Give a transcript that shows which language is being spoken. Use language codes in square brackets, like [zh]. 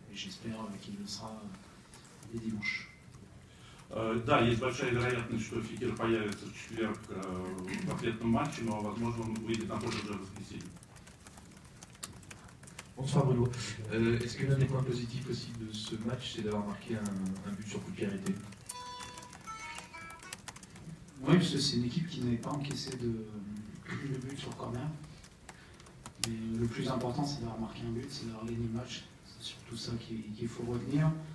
[fr] Et j'espère qu'il le sera dès dimanche. [ru] Да, есть большая вероятность, что Фикер появится в четверг в ответном матче, но, возможно, он выйдет на тоже уже в воскресенье. [fr] Bonsoir Bruno. Est-ce que l'un des points positifs aussi de ce match, c'est d'avoir marqué un but sur coup de pied arrêté? Oui, parce que c'est une équipe qui n'avait pas encaissé de but sur corner. Mais le plus important, c'est d'avoir marqué un but, c'est d'avoir gagné le match. C'est surtout ça qu'il faut retenir.